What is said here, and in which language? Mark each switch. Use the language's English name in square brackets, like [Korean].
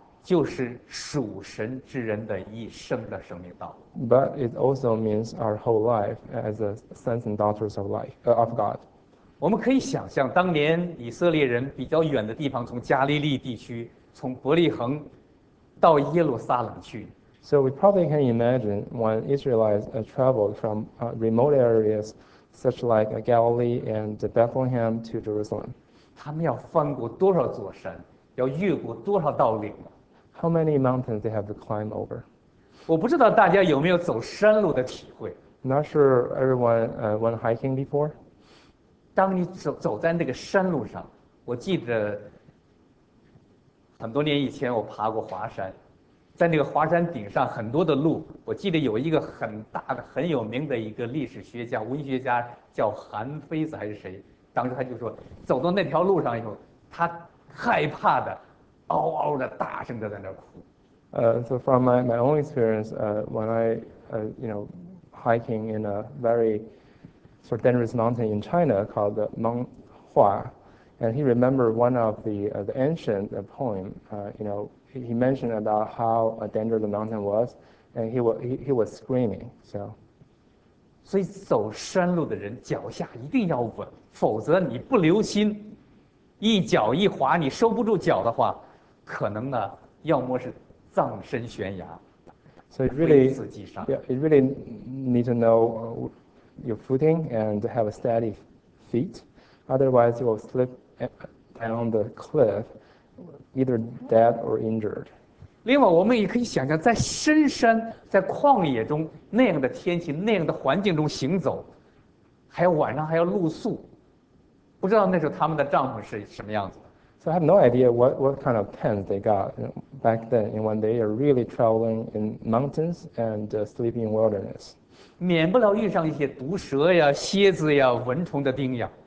[Chinese] 就是属神之人的一生的生命道路。 [English] But it also means our whole life as a sons and daughters of life of God. [Chinese] 我们可以想象，当年以色列人比较远的地方，从加利利地区，从伯利恒到耶路撒冷去。 [English] So we probably can imagine when Israelites traveled from remote areas, such like Galilee and Bethlehem to Jerusalem. [Chinese] 他们要翻过多少座山，要越过多少道岭？ [English] How many mountains they have to climb over? [Chinese] 我不知道大家有没有走山路的体会。 [English] Not sure everyone went hiking before. [Chinese] 当你走在那个山路上，我记得很多年以前我爬过华山，在那个华山顶上很多的路，我记得有一个很大的、很有名的一个历史学家、文学家叫韩非子还是谁？当时他就说，走到那条路上以后，他害怕的，嗷嗷的大声的在那哭。 [English] So from my own experience, when I hiking in a very sort of dangerous mountain in China called the Meng Hua, and he remembered one of the ancient poem. He mentioned about how dangerous the mountain was, and he was screaming. So. [Chinese] 所以走山路的人脚下一定要稳，否则你不留心，一脚一滑，你收不住脚的话，可能呢，要么是葬身悬崖， [English] So it [Chinese] 非 [English] really, [Chinese] 死即伤。 [English] yeah, it really need to know your footing and have a steady feet. Otherwise, you will slip down the cliff, either dead or injured. [Chinese] 另外，我们也可以想象，在深山、在旷野中那样的天气、那样的环境中行走，还有晚上还要露宿，不知道那时候他们的帐篷是什么样子的。 [English] So I have no idea what kind of tents they got back then, and when they are really traveling in mountains and sleeping in wilderness. [Chinese] 免不了遇上一些毒蛇呀、蝎子呀、蚊虫的叮咬。